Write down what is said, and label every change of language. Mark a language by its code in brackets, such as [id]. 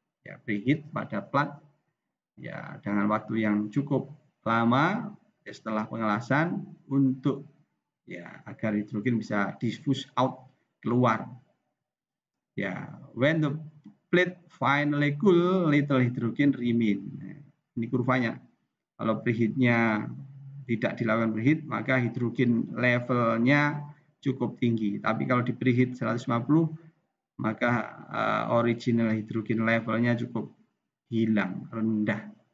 [id] Ya, preheat pada plat ya dengan waktu yang cukup lama ya, setelah pengelasan untuk ya agar hidrogen bisa diffuse out keluar. [en] Ya, when the plate finally cool, little hydrogen remain. [id] Ini kurvanya. Kalau preheatnya tidak dilakukan preheat, maka hidrogen levelnya cukup tinggi. Tapi kalau di preheat 150, maka original hidrogen levelnya cukup hilang, rendah.